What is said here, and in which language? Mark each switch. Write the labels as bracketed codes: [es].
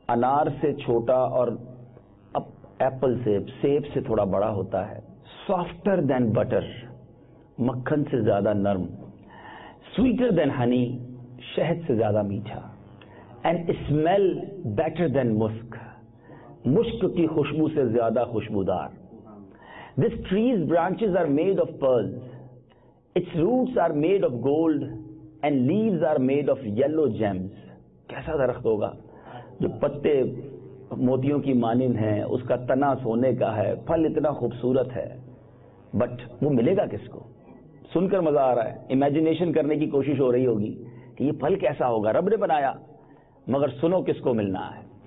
[ur] انار سے چھوٹا اور ایپل سے سیب سے تھوڑا بڑا ہوتا ہے. [en] softer than butter, [ur] مکھن سے زیادہ نرم. [en] sweeter than honey, [ur] شہد سے زیادہ میٹھا. [en] and smell better than musk, [ur] مشک کی خوشبو سے زیادہ خوشبودار. [en] This tree's branches are made of pearls, its roots are made of gold and leaves are made of yellow gems. [ur] کیسا درخت ہوگا جو پتے موتیوں کی مانند ہیں, اس کا تنا سونے کا ہے, پھل اتنا خوبصورت ہے, بٹ وہ ملے گا کس کو؟ سن کر مزہ آ رہا ہے, امیجنیشن کرنے کی کوشش ہو رہی ہوگی کہ یہ پھل کیسا ہوگا, رب نے بنایا, مگر سنو کس کو ملنا ہے.